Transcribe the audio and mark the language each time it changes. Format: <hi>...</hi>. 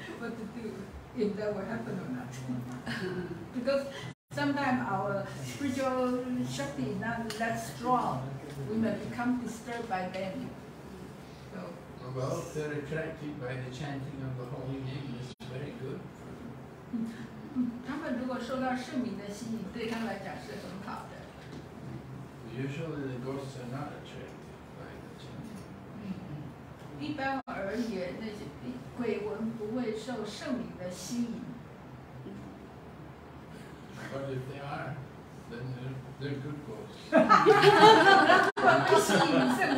<en>What to do if that will happen or not? Because sometimes our spiritual shakti is not that strong, we may become disturbed by them. Well, they're attracted by the chanting of the holy name. This is very good.</en> <zh>他们如果受到圣名的吸引，对他们来讲是很好的。</zh> <en>Usually, the ghosts are not attracted by the chanting.</en> <zh>一般而言，那些鬼魂不会受圣名的吸引。</zh> <en>But if they are, then they're good ghosts.</en>